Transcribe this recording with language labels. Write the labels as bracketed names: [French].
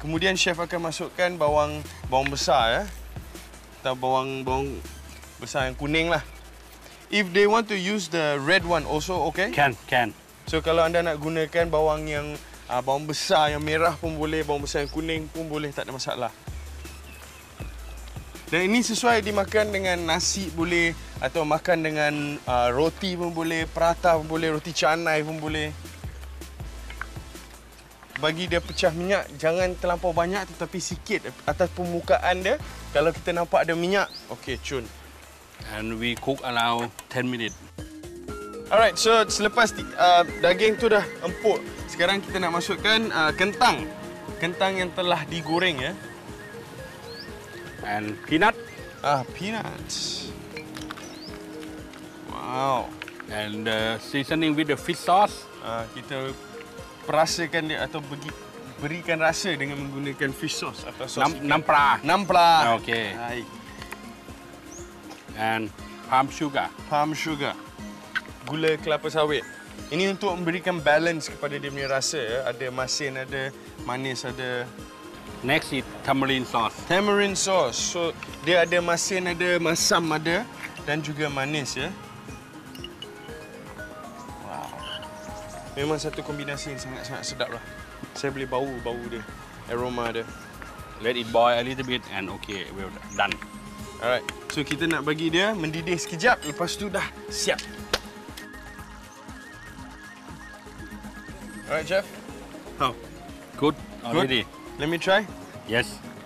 [Malay] Kemudian chef akan masukkan bawang besar ya. Atau bawang besar yang kuning lah. [English] If they want to use the red one also okay? Can. [Malay] So kalau anda nak gunakan bawang yang bawang besar yang merah pun boleh, bawang besar yang kuning pun boleh, tak ada masalah. Dan ini sesuai dimakan dengan nasi boleh atau makan dengan roti pun boleh, prata pun boleh, roti canai pun boleh. Bagi dia pecah minyak, jangan terlampau banyak tetapi sikit atas permukaan dia. Kalau kita nampak ada minyak, okey cun. [English] And we cook around 10 minutes. [Malay] Alright, so selepas daging tu dah empuk, Sekarang kita nak masukkan kentang. Kentang yang telah digoreng ya. [English] And peanut. Peanuts. Wow. And seasoning with the fish sauce. [Malay] Kita perasakan dia atau berikan rasa dengan menggunakan fish sauce atau sauce. Nampra. Okay. Baik. [English] And palm sugar. [Malay] Gula kelapa sawit. Ini untuk memberikan balance kepada dia punya rasa. Ada masin, ada manis, ada... [English] Next is tamarind sauce. Tamarind sauce. [Malay] So, dia ada masin, ada masam, ada dan juga manis. Ya. Wow. Memang satu kombinasi yang sangat-sangat sedap. Lah. Saya boleh bau-bau dia, aroma dia. [English] Let it boil a little bit and okay, we're done. [Malay] Alright, so kita nak bagi dia mendidih sekejap, lepas tu dah siap. [English] Alright, chef. How? Good. Good. Ready. Let me try. Yes.